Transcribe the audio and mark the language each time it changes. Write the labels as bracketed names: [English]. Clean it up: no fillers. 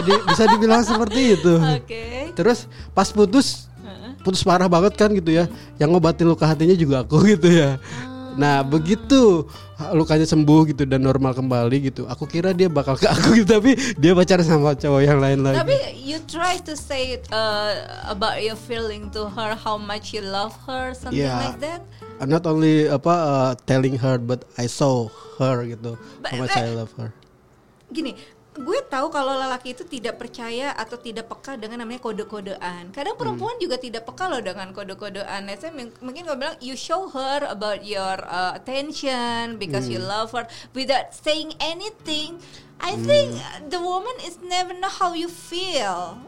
[Indonesian] Bisa dibilang seperti itu. Okay. Terus pas putus parah banget kan gitu ya, yang ngobatin luka hatinya juga aku gitu ya. Nah begitu lukanya sembuh gitu dan normal kembali gitu, aku kira dia bakal ke aku gitu, tapi dia pacaran sama cowok yang lain lagi. [English] Tapi you try to say about your feeling to her, how much you love her, something like that. Not only [Indonesian] apa [English] telling her, but I saw her [Indonesian] gitu, [English] but how much I love her. [Indonesian] Gini, gue tahu kalau lelaki itu tidak percaya atau tidak peka dengan namanya kode-kodean. Kadang perempuan juga tidak peka loh dengan kode-kodean. Saya mungkin gue bilang, [English] you show her about your attention because you love her without saying anything. I think the woman is never know how you feel.